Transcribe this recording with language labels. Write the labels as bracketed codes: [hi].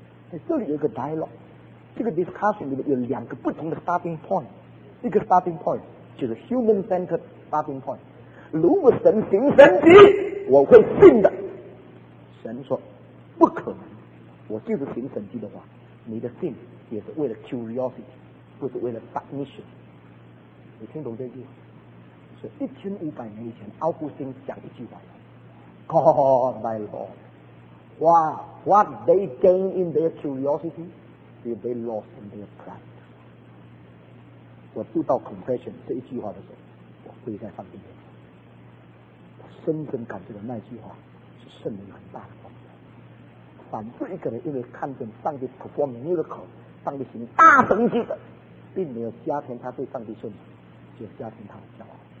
[zh] 在这里有一个 dialogue， 这个 discussion 里面有两个不同的 starting point， 一个 starting point 就是 [en] human centered starting point， [zh] 如果神行神迹，我会信的。神说不可能，我就是行神迹的话，你的信也是为了 curiosity， 不是为了 submission。你听懂这句话？是1500年以前奥古斯丁讲一句话， [en] God my Lord， what they gain in their curiosity they lost in their pride。 [zh] 我读到 confession 这一句话的时候，我跪在上帝面前，我深深感觉到那句话是圣灵很大的功德。反正一个人因为看见上帝 [en] perform miracle， [zh] 上帝行大神迹的，并没有加添他对上帝顺服，只有加添他的骄傲。